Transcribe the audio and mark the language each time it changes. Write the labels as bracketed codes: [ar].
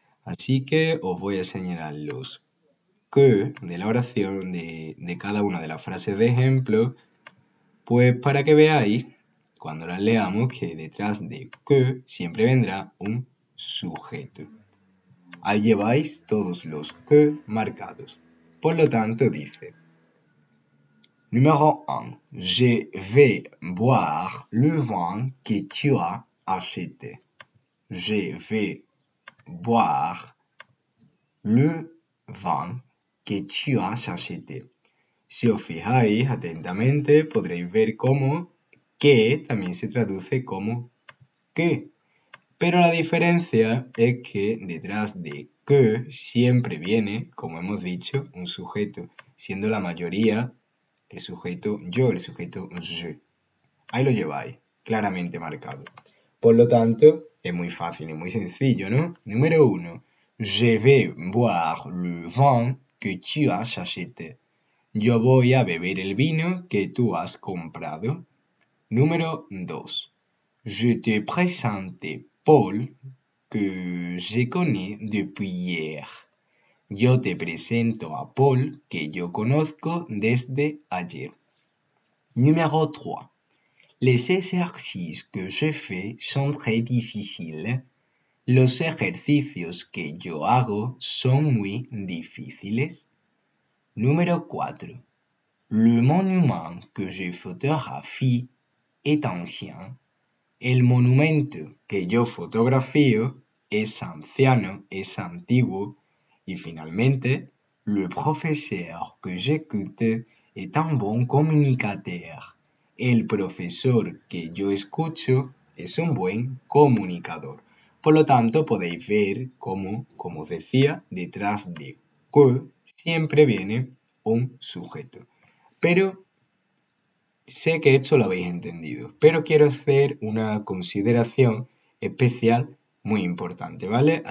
[es] Así que os voy a señalar los que de la oración de cada una de las frases de ejemplo, pues para que veáis cuando las leamos que detrás de que siempre vendrá un sujeto. Ahí lleváis todos los que marcados. Por lo tanto, dice: Número 1. [fr] Je vais boire le vin que tu as acheté. Je vais boire le vin que tu as acheté. [es] Si os fijáis atentamente, podréis ver cómo que también se traduce como que. Pero la diferencia es que detrás de que siempre viene, como hemos dicho, un sujeto, siendo la mayoría el sujeto yo, el sujeto je. Ahí lo lleváis, claramente marcado. Por lo tanto, es muy fácil y muy sencillo, ¿no? Número 1. [fr] Je vais boire le vin que tu as acheté. [es] Yo voy a beber el vino que tú has comprado. Número 2. [fr] Je te présente Paul, que je connais depuis hier. [es] Yo te presento a Paul, que yo conozco desde ayer. Número 3. [fr] Les exercices que je fais sont très difficiles. [es] Los ejercicios que yo hago son muy difíciles. Número 4. [fr] Le monument que je photographie est ancien. [es] El monumento que yo fotografío es anciano, es antiguo. Y finalmente, [fr] le professeur que j'écoute est un bon communicateur. [es] El profesor que yo escucho es un buen comunicador. Por lo tanto, podéis ver cómo, como os decía, detrás de que siempre viene un sujeto. Pero sé que esto lo habéis entendido, pero quiero hacer una consideración especial muy importante, ¿vale?